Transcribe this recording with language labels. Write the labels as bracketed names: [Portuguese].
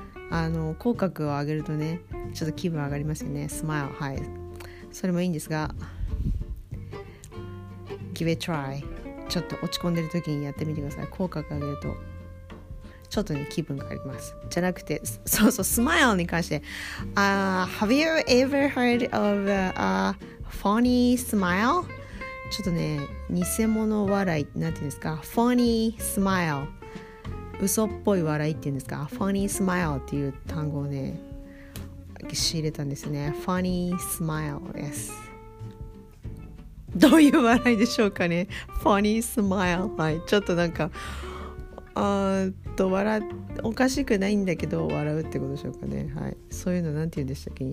[Japanese] あの、口角を上げるとね、ちょっと気分上がりますよね。 Smile, はい。それもいいんですが、 [English] Give it a try. [Japanese] ちょっと落ち込んでる時にやってみてください。口角上げると、ちょっとね、気分が上がります。じゃなくて、そうそう、Smile に関して。 [English] Have you ever heard of a funny smile? [Japanese] ちょっとね、偽物笑い、なんていうんですか。 [English] Funny smile。 [Japanese] 嘘っぽい笑いっていうんですか。 Funny smile っていう単語をね、仕入れたんですね。 Funny smile です。どういう笑いでしょうかね。Funny smile、はい、ちょっとなんか笑おかしくないんだけど笑うってことでしょうかね、はい、そういうのなんて言うんでしたっけ。